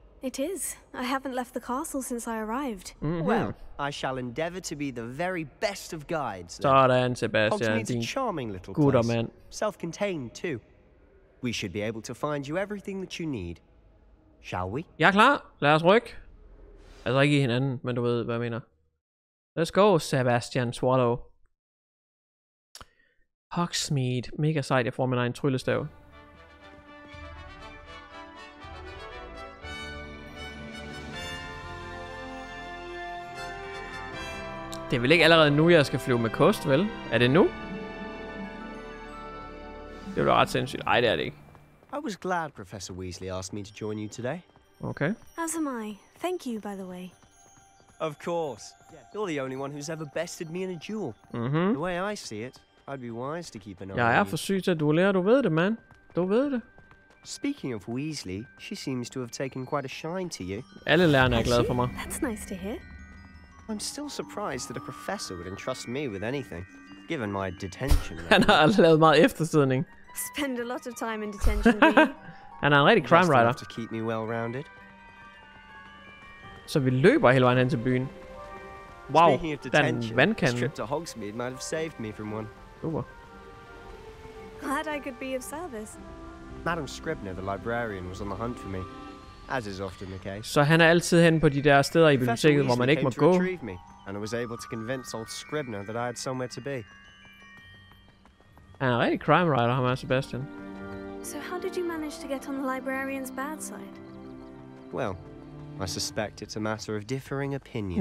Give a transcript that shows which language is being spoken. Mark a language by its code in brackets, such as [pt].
[en] It is. I haven't left the castle since I arrived. Mm-hmm. Well, I shall endeavor to be the very best of guides. [da] Sådan, Sebastian. [en] Hogsmeade's a charming little place. Man. Self-contained, too. We should be able to find you everything that you need. Shall we? [da] Ja, klar. Lad os rykke. Altså ikke i hinanden, men du ved, hvad jeg mener. [en] Let's go, Sebastian Swallow. [da] Hogsmeade. Mega sejt, jeg får min egen tryllestav. Det er vel ikke allerede nu, jeg skal flyve med kost, vel? Er det nu? Det bliver ret sindssygt. Ej, det er det ikke. [en] I was glad Professor Weasley asked me to join you today. Okay. As am I. Thank you, by the way. Of course. You're the only one who's ever bested me in a duel. Mm-hmm. The way I see it, I'd be wise to keep an eye on you. [da] Jeg er for syg til at duellere. Du ved det, man. Du ved det. [en] Speaking of Weasley, she seems to have taken quite a shine to you. [da] Alle lærerne er glade for mig. [en] That's nice to hear. I'm still surprised that a professor would entrust me with anything, given my detention. [da] Han har lavet meget eftersidning. [en] Spend a lot of time in detention, do you? And I'm a crime writer. To keep me well-rounded. [da] Så vi løber hele vejen hen til byen. Wow, den vandkande. [en] Trip to Hogsmeade might have saved me from one. Super. Glad I could be of service. Madam Scribner, the librarian, was on the hunt for me, as is often the case. [da] Så han er altid hen på de der steder i biblioteket, hvor man ikke må gå. [en] And I was able to convince old Scribner that I had somewhere to be. [da] Han er en rigtig crime writer, ham er Sebastian. [en] So how did you manage to get on the librarian's bad side? Well, I suspect it's a matter of differing opinions.